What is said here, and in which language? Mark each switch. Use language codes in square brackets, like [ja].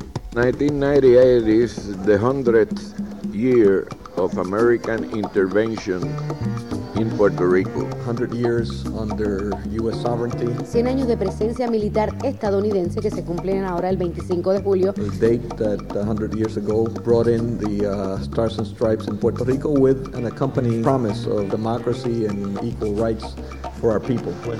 [en] '98 is the 100th year of American intervention in Puerto Rico. 100 years under U.S. sovereignty. [es] 100 años de presencia militar estadounidense que se cumplen ahora el 25 de julio. [en] The date that 100 years ago brought in the Stars and Stripes in Puerto Rico with an accompanying promise of democracy and equal rights for our people.